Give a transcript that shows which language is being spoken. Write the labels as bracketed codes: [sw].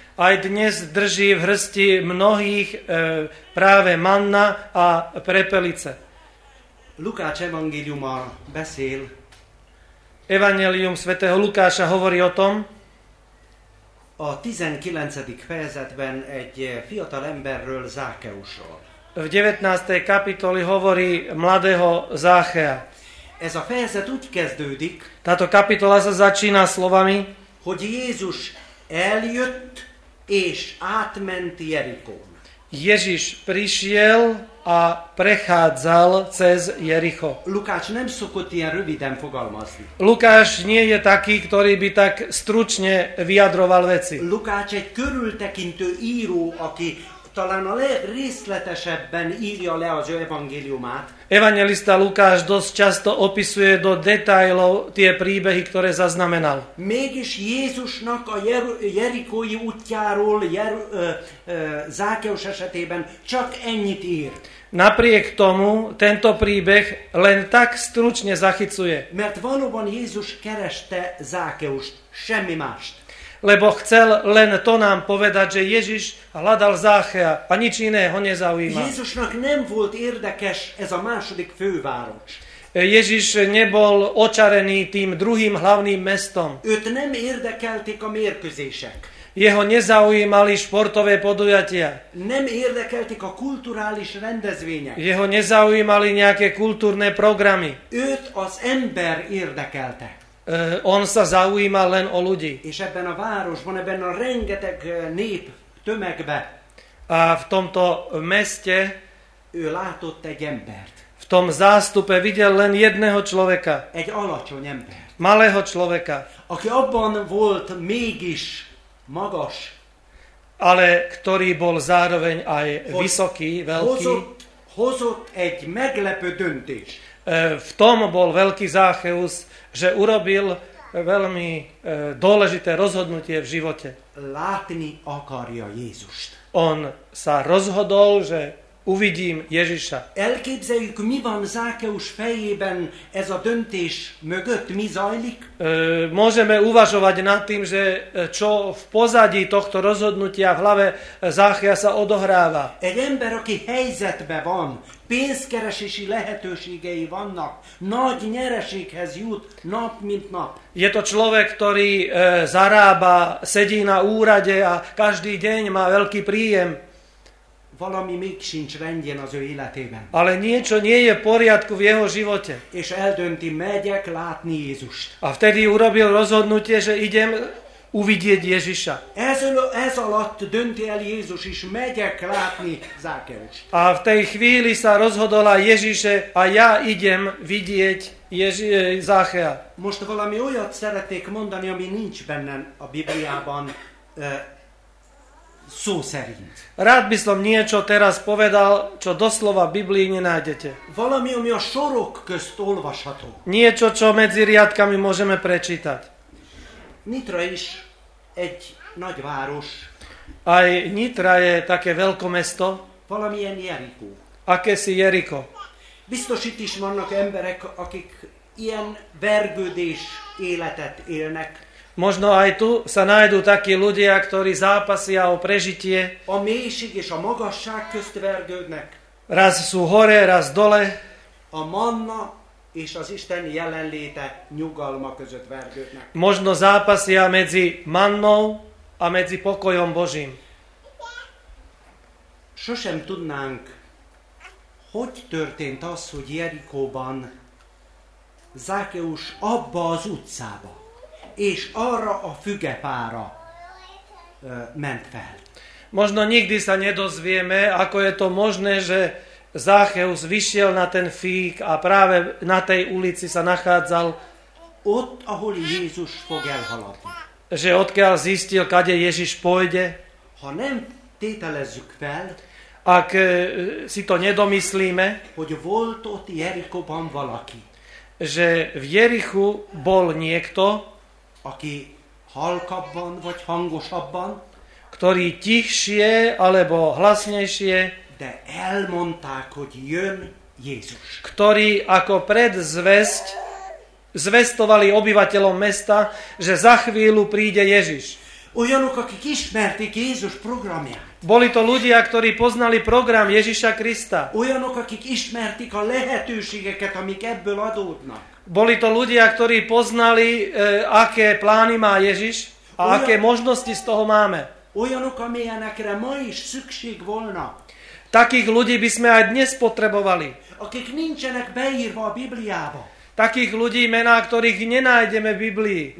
[sk] Aj dnes drží v hrsti mnohých práve manna a prepelice. [hu] Lukáš evangéliuma beszél. [sk] Evangélium svätého Lukáša hovorí o tom. [hu] A 19. fejezetben egy fiatal emberről, Zákeusról. [sk] V 19. kapitoli hovorí mladého Zákea. [hu] Ez a fejezet úgy kezdődik. [sk] Táto kapitola sa začína slovami, [hu] hogy Jézus eljött és átment Jerikón. [sk] Ježiš prišiel a prechádzal cez Jericho. [hu] Lukáš nem szokott ilyen röviden fogalmazni. [sk] Lukáš nie je taký, ktorý by tak stručne vyjadroval veci. [hu] Lukáš egy körültekintő író, aki talán a részletesebben írja le az ő evangéliumát. [sk] Evangelista Lukáš dosť často opisuje do detailov tie príbehy, ktoré zaznamenal. [hu] Mégis Jézusnak a Jerikói útjáról Zákeus esetében csak ennyit ír. [sk] Napriek tomu tento príbeh len tak stručne zachycuje. [hu] Mert valóban Jézus kereste Zákeust, semmi mást. [sk] Lebo chcel len to nám povedať, že Ježiš hľadal Záchea a nič iné ho nezaujíma. [hu] Jézusnak nem volt érdekes ez a második főváros. [sk] Ježiš nebol očarený tým druhým hlavným mestom. [hu] Őt nem érdekelték a mérkőzések. [sk] Jeho nezaujímali športové podujatia. [hu] Nem érdekelték a kulturális rendezvények. [sk] Jeho nezaujímali nejaké kultúrne programy. [hu] Őt az ember érdekelte. [sk] On sa zaujíma len o ľudí. [hu] És ebben a városban, ebben a rengeteg nép tömegbe. [sk] A v tomto meste [hu] ő látott egy embert. [sk] V tom zástupe videl len jedného človeka. [hu] Egy alacsony embert. [sk] Malého človeka. [hu] Aki abban volt mégis magas. [sk] Ale ktorý bol zároveň aj vysoký, veľký. [hu] Hozott egy meglepő döntés. [sk] V tom bol veľký Zácheus, že urobil veľmi dôležité rozhodnutie v živote. [hu] Látni akarja Jézust. [sk] On sa rozhodol, že uvidím Ježiša. [hu] Elképzeljük, mi van Zákeus fejében ez a döntés mögött, mi zajlik? [sk] Môžeme uvažovať nad tým, že čo v pozadí tohto rozhodnutia v hlave Zácheja sa odohráva. [hu] Egy ember, aki helyzetben van, pénzkeresési lehetőségei vannak, nagy nyereséghez jut nap, mint nap. [sk] Je to človek, ktorý zarába, sedí na úrade a každý deň má veľký príjem. [hu] Valami még sincs rendjén az ő életében. [sk] Ale niečo nie je v poriadku v jeho živote. [hu] És eldönti, megyek látni Jézust. [sk] A vtedy urobil rozhodnutie, že idem uvidieť Ježiša. [hu] Ez alatt dönti el Jézus is, megyek látni Zákeus. [sk] A v tej chvíli sa rozhodol aj Ježiše, a ja idem vidieť Zachea. [hu] Most valami olyat szeretnék mondani, ami nincs bennem a Bibliában szó szerint. [sk] Rád by som niečo teraz povedal, čo doslova v Biblii nenájdete. [hu] Valami, ami a sorok közt olvasható. [sk] Niečo, čo medzi riadkami môžeme prečítať. [hu] Nitra is egy nagy város. [sk] Aj Nitra je také veľkomesto. [hu] Valamilyen Jerikó. [sk] Akési Jerikó. [hu] Biztos itt is vannak emberek, akik ilyen vergődés életet élnek. [sk] Možno aj tu sa nájdú takí ľudia, ktorí zápasia o prežitie. [hu] A mélység és a magasság közt vergődnek. [sk] Raz sú hore, raz dole. [hu] A manna és az Isten jelenléte nyugalma között vergődnek. [sk] Možno zápasia medzi mannou a medzi pokojom Božím. [hu] Sosem tudnánk, hogy történt az, hogy Jerikóban Zákeus abba az utcába és arra a fügepára ment fel. [sk] Možno nikdy sa nedozvieme, ako je to možné, že Zákeus vyšiel na ten fík a práve na tej ulici sa nachádzal. [hu] Ott, ahol Jézus fog elhaladni. [sk] Že odkiaľ zistil, kade Ježiš pôjde. [hu] Ha nem tételezzük fel, [sk] ak si to nedomyslíme, [hu] hogy volt ott Jerikóban valaki, [sk] že v Jerichu bol niekto, [hu] aki halkabban vagy hangosabban, [sk] ktorý tichšie alebo hlasnejšie, [hu] de elmondták, hogy jön Jézus. [sk] Ktorý ako predzvesť zvestovali obyvateľom mesta, že za chvíľu príde Ježiš. [hu] Olyanok, akik ismerték Jézus programját. [sk] Boli to ľudia, ktorí poznali program Ježiša Krista. [hu] Olyanok, akik ismerték a lehetőségeket, amik ebből adódnak. [sk] Boli to ľudia, ktorí poznali, aké plány má Ježiš a aké možnosti z toho máme. [hu] Olyanok, amilyenekre ma is szükség volna. [sk] Takých ľudí by sme aj dnes potrebovali. [hu] Akik nincsenek beírva a Bibliába. [sk] Takých ľudí, mená ktorých nenájdeme v Biblii.